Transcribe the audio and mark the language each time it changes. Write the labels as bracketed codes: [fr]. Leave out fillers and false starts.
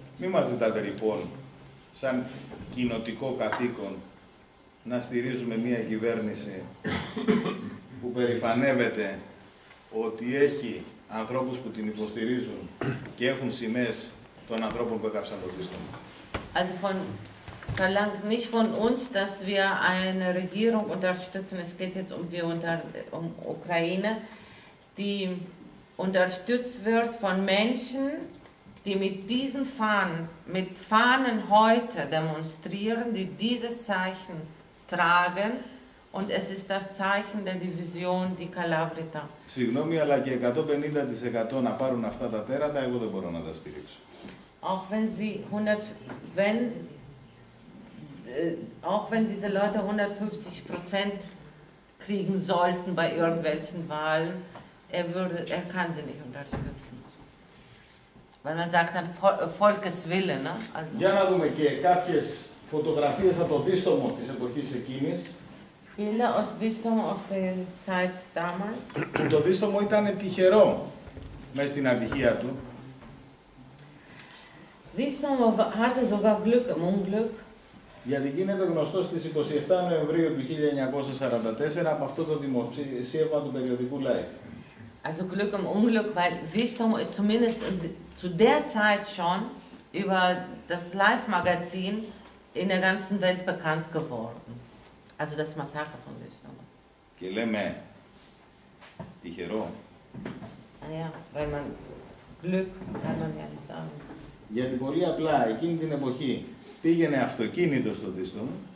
[el] Μη μας ζητάτε λοιπόν, σαν κοινοτικό καθήκον, να στηρίζουμε μια κυβέρνηση που περηφανεύεται ότι έχει ανθρώπους που την υποστηρίζουν και έχουν σημαίες των ανθρώπων που έκαψαν το δίστομο. [de] Also von verlangt nicht von uns, dass wir eine Regierung unterstützen. Es geht jetzt um die Ukraine, die unterstützt wird von Menschen, die mit diesen Fahnen, mit Fahnen heute demonstrieren, die dieses Zeichen tragen. Und es ist das Zeichen der Division, die Kalavrita. [el] Συγγνώμη, αλλά και 150% να πάρουν αυτά τα τέρατα, εγώ δεν μπορώ να τα στηρίξω. [de] Auch wenn sie 100, wenn, auch wenn diese Leute 150% kriegen sollten bei irgendwelchen Wahlen, er kann sie nicht unterstützen. Weil man sagt dann Volkeswille, ne? [el] Also, για να δούμε και κάποιες φωτογραφίες από το δίστομο της εποχής εκείνης. [de] Bilder aus Dystomo aus der Zeit damals. [el] Το δίστομο ήταν τυχερό μέσα στην ατυχία του. [de] Δίστομο hatte sogar Glück im Unglück. [el] Γιατί γίνεται γνωστό στις 27 Νοεμβρίου του 1944 από αυτό το δημοσίευμα του περιοδικού Life. [de] Also Glück im Unglück, weil Dystomo ist zumindest zu der Zeit schon über das Life-Magazin in der ganzen Welt bekannt geworden. Also das Massaker von Dystomo. [el] Και λέμε, τυχερό. [de] Ja, weil man Glück kann man ja nicht sagen. [el] Γιατί πολύ απλά εκείνη την εποχή πήγαινε αυτοκίνητο στο δίστομο.